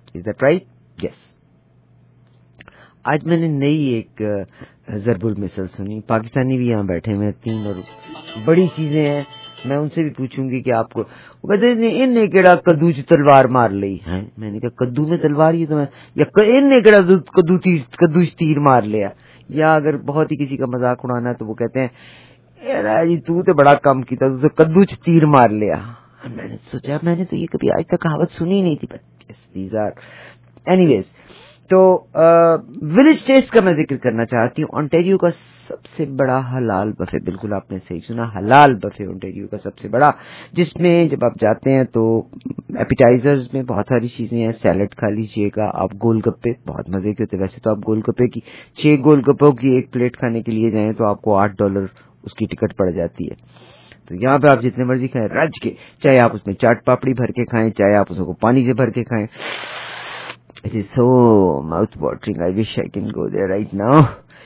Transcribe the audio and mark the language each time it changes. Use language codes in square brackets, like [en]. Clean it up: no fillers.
[en] Is that right? Yes. [ur] آج میں نے نئی ایک ضرب المثل سنی, پاکستانی بھی یہاں بیٹھے ہوئے ہیں تین اور بڑی چیزیں ہیں, میں ان سے بھی پوچھوں گی کہ آپ کو. وہ کہتے ہیں [pa] ان نے کیڑا کدو چ تلوار مار لی ہے. [ur] میں نے کہا کدو میں تلوار, یہ تو میں یا [pa] ان نے کیڑا کدو چ تیر مار لیا. [ur] یا اگر بہت ہی کسی کا مذاق اڑانا تو وہ کہتے ہیں جی [pa] تو تے بڑا کام کیتا, تو تے کدو چ تیر مار لیا. [ur] میں نے سوچا میں نے تو یہ کبھی آج تک کہاوت سنی نہیں تھی. [en] anyways, [ur] تو ولیج ٹیسٹ کا میں ذکر کرنا چاہتی ہوں. اونٹیریو کا سب سے بڑا حلال بفے, بالکل آپ نے صحیح سنا, حلال بفے اونٹیریو کا سب سے بڑا, جس میں جب آپ جاتے ہیں تو اپیٹائزرز میں بہت ساری چیزیں ہیں. سیلڈ کھا لیجئے گا آپ, گول گپے بہت مزے کے ہوتے. ویسے تو آپ گول گپے کی, 6 گول گپوں کی ایک پلیٹ کھانے کے لیے جائیں تو آپ کو $8 اس کی ٹکٹ پڑ جاتی ہے. تو یہاں پہ آپ جتنے مرضی کھائیں رج کے, چاہے آپ اس میں چاٹ پاپڑی بھر کے کھائیں, چاہے آپ اس کو پانی سے بھر کے کھائیں. [en] It is so mouth-watering. I wish I can go there right now.